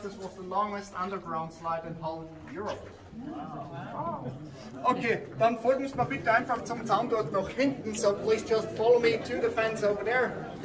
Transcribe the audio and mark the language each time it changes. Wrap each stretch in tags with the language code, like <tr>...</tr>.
<en>This was the longest underground slide in whole Europe. Wow.</en> <de>Okay, dann folgt uns mal bitte einfach zum Zaun dort nach hinten.</de> <en>So please just follow me to the fence over there.</en>